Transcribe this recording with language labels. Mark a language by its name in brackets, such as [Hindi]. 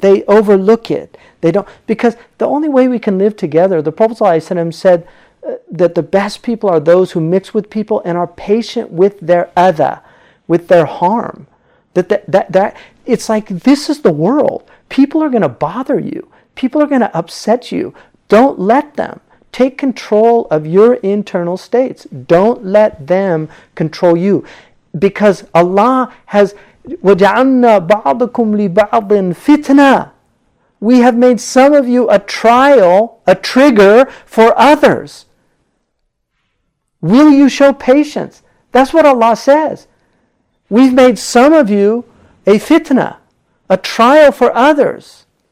[English] They overlook it. They don't, because the only way we can live together, the Prophet sallallahu alaihi wasallam said that the best people are those who mix with people and are patient with their adha, with their harm. That it's like, this is the world. People are going to bother you. People are going to upset you. Don't let them. Take control of your internal states. Don't let them control you. Because Allah has, [Arabic] وَجَعَلْنَا بَعْضَكُمْ لِبَعْضٍ فِتْنَةً. [English] We have made some of you a trial, a trigger for others. Will you show patience? That's what Allah says. We've made some of you a fitna, a trial for others.